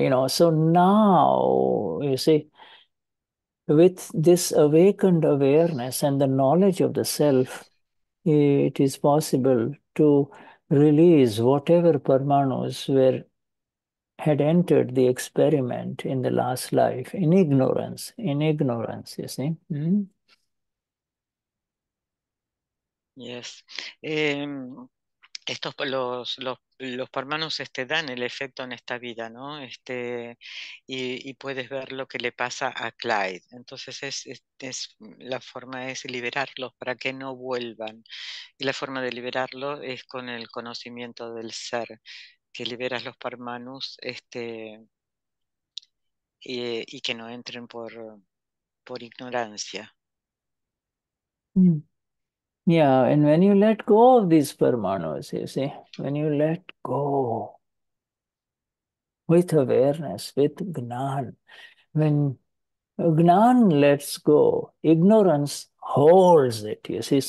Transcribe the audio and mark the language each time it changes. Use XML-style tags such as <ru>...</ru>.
<en>You know, so now, you see, with this awakened awareness and the knowledge of the self, it is possible to release whatever parmanos were had entered the experiment in the last life, in ignorance, you see. Yes.</en> <es>Estos los parmanos dan el efecto en esta vida, ¿no? Y puedes ver lo que le pasa a Clyde. Entonces es la forma es liberarlos para que no vuelvan. Y la forma de liberarlo es con el conocimiento del ser, que liberas los parmanos y que no entren por ignorancia.</es> <en>Yeah, and when you let go of these parmanas, you see, when you let go with awareness, with gnan, when gnan lets go, ignorance holds it, you see.</en>